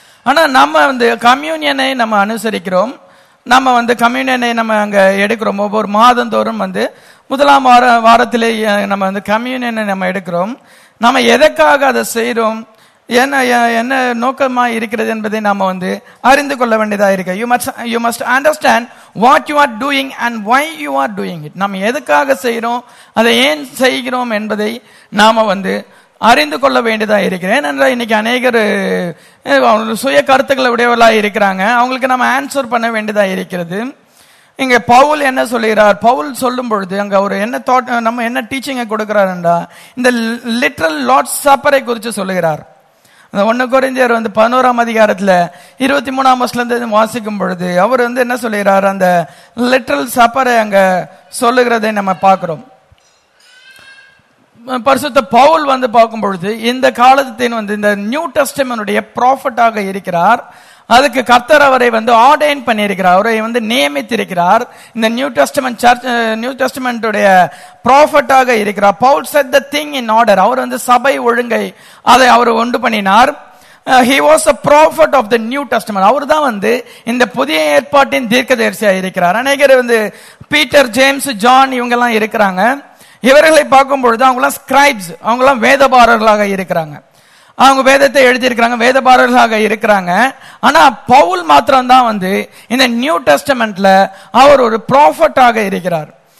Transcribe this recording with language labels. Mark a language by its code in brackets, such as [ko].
[ta] ஆனால் நம்ம வந்து கம்யூனியனை நம்ம அனுசரிக்கிறோம், நம்ம வந்து கம்யூனியனை நம்ம அங்கே எடுக்கிறோம். ஒவ்வொரு மாதந்தோறும் வந்து முதலாம் வாரத்திலே நம்ம வந்து கம்யூனியனை நம்ம எடுக்கிறோம். நம்ம எதற்காக அதை செய்கிறோம், என்ன நோக்கமா இருக்கிறது என்பதை நாம வந்து அறிந்து கொள்ள வேண்டியதா இருக்கு. [en] You must understand what you are doing and why you are doing it. [ta] நாம எதுக்காக செய்யறோம், அதை ஏன் செய்கிறோம் என்பதை நாம வந்து அறிந்து கொள்ள வேண்டியதா இருக்கு. ஏனென்றால் இன்னைக்கு அநேகர் சுய கருத்துக்களை உடையவர்களா இருக்கிறாங்க, அவங்களுக்கு நம்ம ஆன்சர் பண்ண வேண்டியதா இருக்கிறது. இங்க பவுல் என்ன சொல்லுகிறார், பவுல் சொல்லும் பொழுது அங்க அவர் என்ன தாட், நம்ம என்ன டீச்சிங்கை கொடுக்கிறார் என்றா, இந்த லிட்ரல் லார்ட் சப்பரை குறித்து சொல்லுகிறார். ஒன்னு குறைஞ்சர் வந்து 11 அதிகாரத்துல 23 வசனத்தை வாசிக்கும் பொழுது அவர் வந்து என்ன சொல்லுகிறார், அந்த லிட்ரல் சப்பரை அங்க சொல்லுகிறதை நம்ம பார்க்கிறோம். பரிசுத்த பவுல் வந்து பார்க்கும் பொழுது இந்த காலத்தின் வந்து இந்த நியூ டெஸ்டமென்ட் ப்ராஃபட்டாக இருக்கிறார், அதுக்கு கர்த்தர் அவரை வந்து ஆர்டைன் பண்ணியிருக்கிறார், அவரை வந்து நியமித்திருக்கிறார். இந்த new testament search new testament ப்ராஃபட்டாக இருக்கிறார். Bowl [en] set the thing in order, [ta] அவர் வந்து சபை ஒழுங்கை அதை அவர் ஒன்று பண்ணினார். [en] He was a prophet of the New Testament. [ta] அவர் தான் வந்து இந்த புதிய ஏற்பாட்டின் தீர்க்க தரிசியாக இருக்கிறார். அநேகர் வந்து பீட்டர் ஜேம்ஸ் ஜான் இவங்கெல்லாம் இருக்கிறாங்க, இவர்களை பார்க்கும் பொழுது அவங்கலாம் ஸ்கிரைப்ஸ், அவங்கலாம் வேதபாரர்களாக இருக்கிறாங்க, அவங்க வேதத்தை எழுதியிருக்கிறாங்க, வேதபாரர்களாக இருக்கிறாங்க. ஆனா பவுல் மாத்திரம் தான் வந்து இந்த நியூ டெஸ்டமெண்ட்ல அவர் ஒரு ப்ராஃபட்டாக இருக்கிறார்.